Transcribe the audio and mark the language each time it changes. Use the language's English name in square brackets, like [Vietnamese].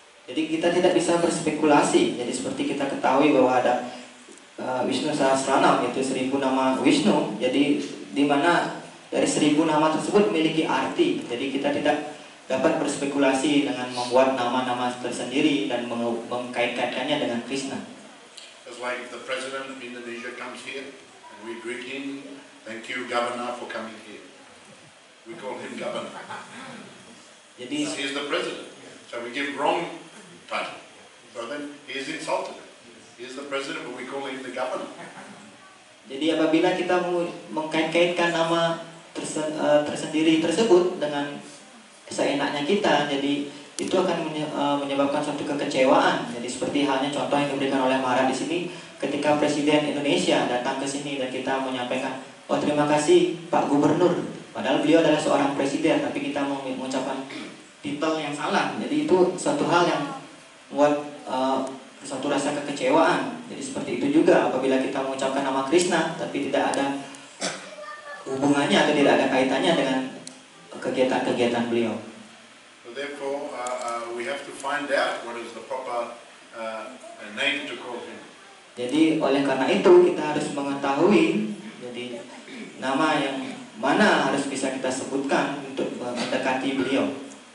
[Indonesian] Jadi kita tidak bisa berspekulasi. Jadi seperti kita ketahui bahwa ada Vishnu Sahasranam, itu 1000 nama Vishnu. Jadi di mana dari 1000 nama tersebut memiliki arti. Jadi kita tidak dapat berspekulasi dengan membuat nama-nama tersendiri dan mengkaitkannya dengan Krishna. [English] It's like the president of Indonesia comes here and we greet him, thank you governor for coming here. We call him governor. [Indonesian] Jadi [English] so he is the president. So we give wrong title. So then he is insulted. He is the president, but we call him the governor. [Indonesian] Jadi apabila kita mengkait-kaitkan nama tersendiri tersebut dengan seenaknya kita, jadi itu akan menyebabkan suatu kekecewaan. Jadi seperti halnya contoh yang diberikan oleh Maharaj di sini, ketika Presiden Indonesia datang ke sini dan kita menyampaikan, oh terima kasih Pak Gubernur, padahal beliau adalah seorang presiden, tapi kita mengucapkan titel yang salah. Jadi itu suatu hal yang membuat suatu rasa kekecewaan. Jadi seperti itu juga apabila kita mengucapkan nama Krishna, tapi tidak ada hubungannya atau tidak ada kaitannya dengan kegiatan-kegiatan beliau. [English] So therefore, we have to find out what is the proper name to call him. [Indonesian] Jadi oleh karena itu kita harus mengetahui, jadi nama yang mana harus bisa kita sebutkan untuk mendekati beliau.